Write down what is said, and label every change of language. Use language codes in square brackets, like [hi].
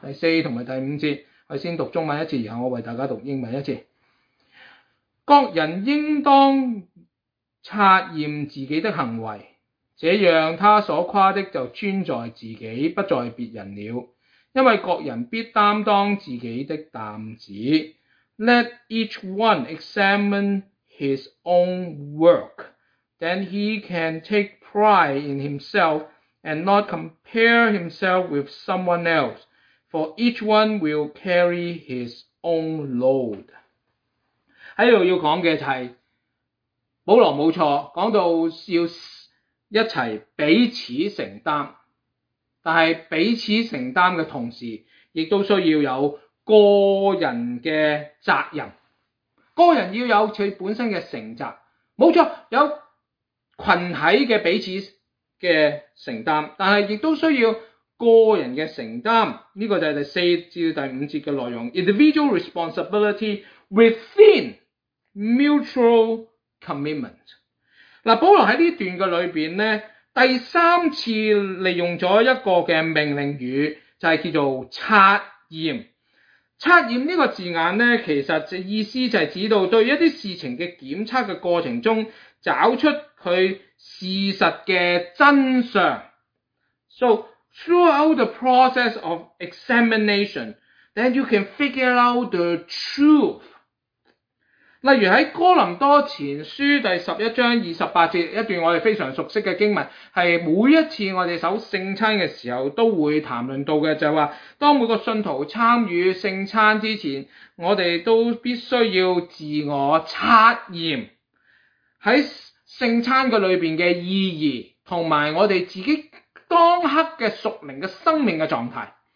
[zh] 第四和第五节，我先读中文一次，然后我为大家读英文一次。各人应当察验自己的行为，这样他所夸的就专在自己，不在别人了。因为各人必担当自己的担子。 [en] Let each one examine his own work, then he can take pride in himself and not compare himself with someone else, for each one will carry his own load. [zh] 在这里要讲的是保罗没错，讲到要一起彼此承担，但是彼此承担的同时亦都需要有个人的责任，个人要有他本身的承责，没错，有群体的彼此的承担，但是亦都需要个人的承担。这个就是第四至第五节的内容， [en] Individual responsibility within mutual commitment。 [zh] 保罗在这段的里面呢，第三次利用了一个的命令语，就是叫做测验。测验这个字眼呢，其实意思就是指到对一些事情的检测的过程中，找出它事实的真相。 [en] So throughout the process of examination, then you can figure out the truth. [zh] 例如在哥林多前书第11章28节，一段我们非常熟悉的经文，是每一次我们守圣餐的时候都会谈论到的，就是说当每个信徒参与圣餐之前，我们都必须要自我测验在圣餐的里面的意义，同埋我们自己当刻的属灵的生命的状态。